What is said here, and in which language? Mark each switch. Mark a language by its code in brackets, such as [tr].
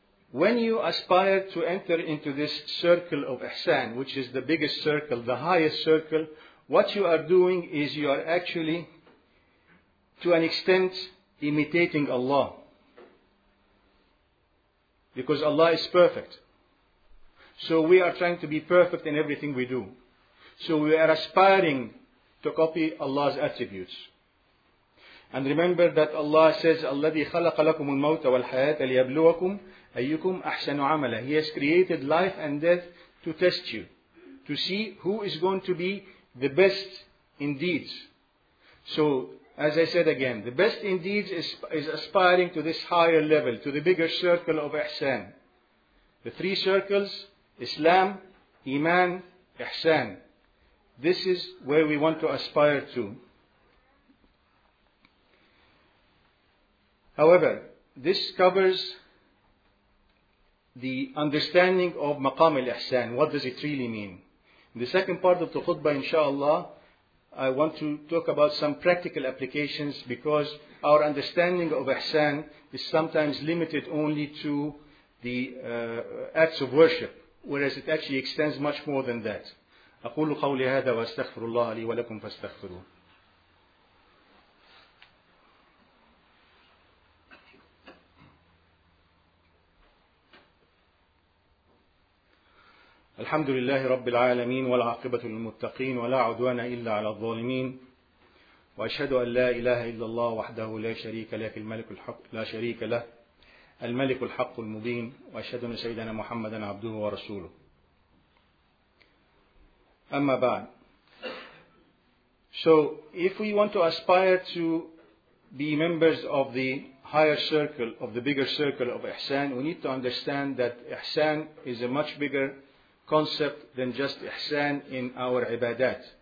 [en] When you aspire to enter into this circle of ihsan, which is the biggest circle, the highest circle, what you are doing is you are actually, to an extent, imitating Allah. Because Allah is perfect. So we are trying to be perfect in everything we do. So we are aspiring to copy Allah's attributes. And remember that Allah says, [ar] الَّذِي خَلَقَ لَكُمُ الْمَوْتَ وَالْحَيَاةَ لِيَبْلُوَكُمْ أَيُّكُمْ أَحْسَنُ عَمَلًا. [en] He has created life and death to test you, to see who is going to be the best in deeds. So, as I said again, the best in deeds is aspiring to this higher level, to the bigger circle of ihsan. The three circles, Islam, Iman, Ihsan. This is where we want to aspire to. However, this covers the understanding of Maqam al-Ihsan. What does it really mean? In the second part of the khutbah, inshallah, I want to talk about some practical applications, because our understanding of Ihsan is sometimes limited only to the acts of worship, whereas it actually extends much more than that. [ar] أقول قولي هذا وأستغفر الله لي ولكم فاستغفروه. الحمد لله رب العالمين والعاقبة للمتقين ولا عدوان إلا على الظالمين وأشهد أن لا إله إلا الله وحده لا شريك له الملك الحق لا شريك له الملك الحق المبين وأشهد أن سيدنا محمدا عبده ورسوله. أما بعد. [en] So if we want to aspire to be members of the higher circle, of the bigger circle of Ihsan, we need to understand that Ihsan is a much bigger concept than just Ihsan in our ibadat.